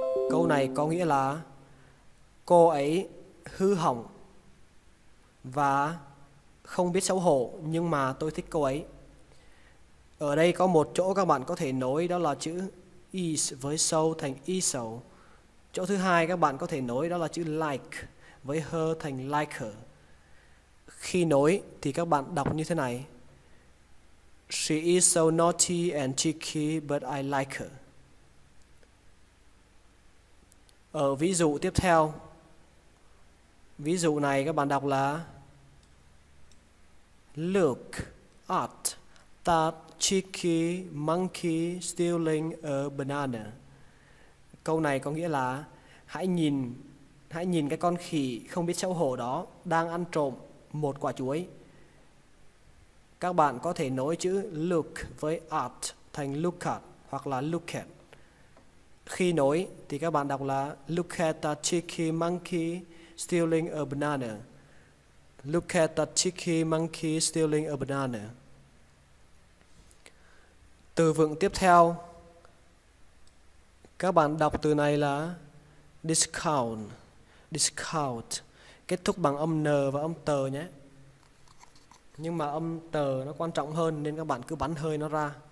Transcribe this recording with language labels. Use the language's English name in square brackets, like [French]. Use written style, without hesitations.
[Vietnamese] Câu này có nghĩa là cô ấy hư hỏng và không biết xấu hổ nhưng mà tôi thích cô ấy. Ở đây có một chỗ các bạn có thể nối đó là chữ is với so thành iso. Chỗ thứ hai các bạn có thể nối đó là chữ like với her thành liker. Khi nối thì các bạn đọc như thế này. [English] She is so naughty and cheeky, but I like her. [Vietnamese] Ở ví dụ tiếp theo, ví dụ này các bạn đọc là [English] look at that cheeky monkey stealing a banana. [Vietnamese] Câu này có nghĩa là hãy nhìn cái con khỉ không biết xấu hổ đó đang ăn trộm một quả chuối. Các bạn có thể nối chữ look với at thành look at hoặc là look at. Khi nối thì các bạn đọc là [English] look at that cheeky monkey stealing a banana. Look at that cheeky monkey stealing a banana. [Vietnamese] Từ vựng tiếp theo, các bạn đọc từ này là discount. Discount kết thúc bằng âm n và âm t nhé. Nhưng mà âm t nó quan trọng hơn nên các bạn cứ bắn hơi nó ra.